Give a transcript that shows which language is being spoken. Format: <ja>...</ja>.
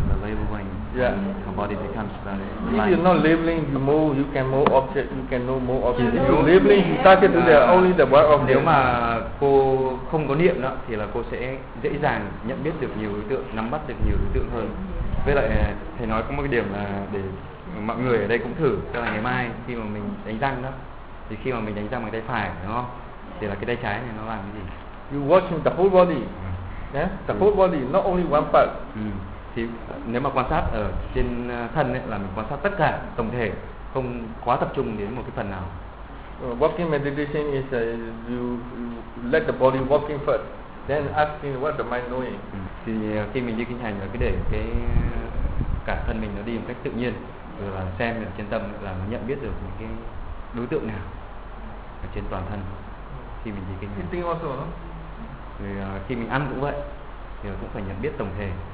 <en>If you're not labeling, you move, you can move object, you can know more object. If you're labeling, you target to the only the word of.</en> <vi>Nếu mà cô không có niệm đó thì là cô sẽ dễ dàng nhận biết được nhiều đối tượng, nắm bắt được nhiều đối tượng hơn. Với lại thầy nói có một cái điểm là để mọi người ở đây cũng thử, tức là ngày mai khi mà mình đánh răng đó, thì khi mà mình đánh răng bằng tay phải đúng không, thì là cái tay trái này nó làm cái gì?</vi> <en>You watching the whole body, the whole body, not only one part.</en> <vi>Thì nếu mà quan sát ở trên thân ấy, là mình quan sát tất cả tổng thể, không quá tập trung đến một cái phần nào.</vi> <en>Walking meditation is you let the body walking first, then asking what the mind knowing.</en> <vi>Thì khi mình đi kinh hành là cứ để cái cả thân mình nó đi một cách tự nhiên, rồi là xem ở trên tâm là nó nhận biết được những cái đối tượng nào ở trên toàn thân khi mình đi kinh hành.</vi> <en>Eating also, no?</en> <vi>Thì khi mình ăn cũng vậy, thì cũng phải nhận biết tổng thể.</vi>